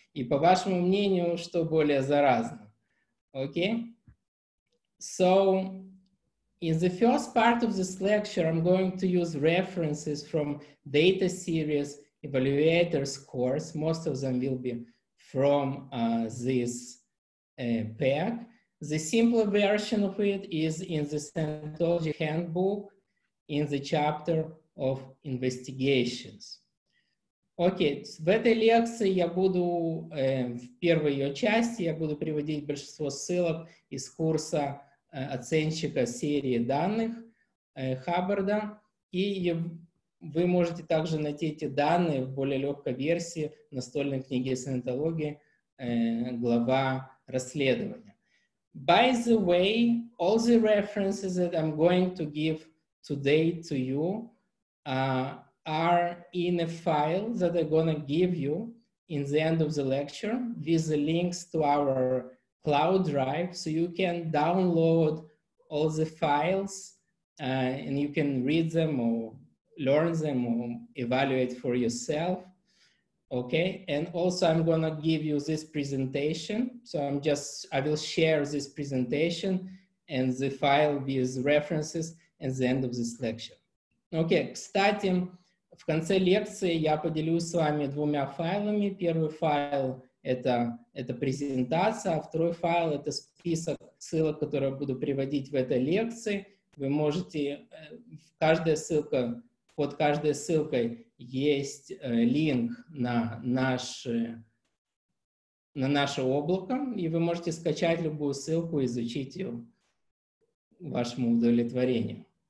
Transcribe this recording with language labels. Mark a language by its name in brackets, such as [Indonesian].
[Russian] И по вашему мнению, что более заразно? [English] Okay? So, in the first part of this lecture, I'm going to use references from data series evaluators course. Most of them will be from this pack. The simpler version of it is in the Scientology handbook in the chapter of investigations. [Russian] Окей, в этой лекции я буду, в первой ее части, я буду приводить большинство ссылок из курса оценщика серии данных Хаббарда, и вы можете также найти эти данные в более легкой версии настольной книги Scientology, глава расследования. [English] By the way, all the references that I'm going to give today to you are in a file that I'm going to give you in the end of the lecture with the links to our cloud drive, so you can download all the files and you can read them or learn them or evaluate for yourself. Okay, and also I'm gonna give you this presentation. So I will share this presentation and the file with references at the end of this lecture. [Russian] Okay, кстати, в конце лекции я поделюсь с вами двумя файлами. Первый файл это презентация, а второй файл это список ссылок, которые я буду приводить в этой лекции. Вы можете, каждая ссылка, под каждой ссылкой есть линк на наше облако, и вы можете скачать любую ссылку и изучить ее вашему удовлетворению.